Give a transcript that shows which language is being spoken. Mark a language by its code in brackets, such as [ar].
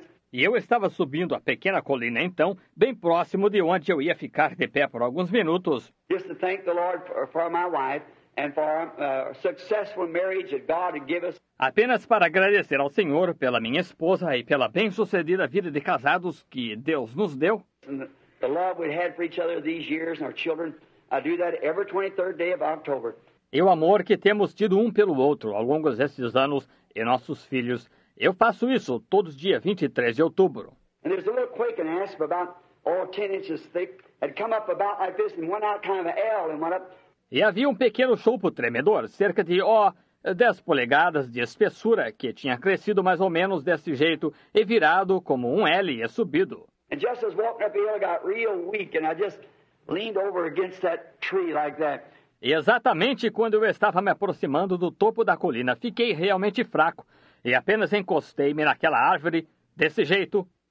[pt] E eu estava subindo a pequena colina então, bem próximo de onde eu ia ficar de pé por alguns minutos. [en] Just to thank the Lord for my wife and for our successful marriage that God had given us. [pt] Apenas para agradecer ao Senhor pela minha esposa e pela bem-sucedida vida de casados que Deus nos deu. [en] And the love we've had for each other these years and our children, I do that every 23rd day of October. [pt] E o amor que temos tido um pelo outro ao longo desses anos e nossos filhos. Eu faço isso todos os dias 23 de outubro. [en] And there's a little quake and asp about all 10 inches thick had come up about like this and went out kind of an L and went up. [pt] E havia um pequeno chopo tremedor, cerca de 10 polegadas de espessura, que tinha crescido mais ou menos desse jeito e virado como um L e subido. [en] And just as walking up the hill got real weak and I just leaned over against that tree like that. [pt] E exatamente quando eu estava me aproximando do topo da colina, fiquei realmente fraco e apenas encostei-me naquela árvore desse jeito.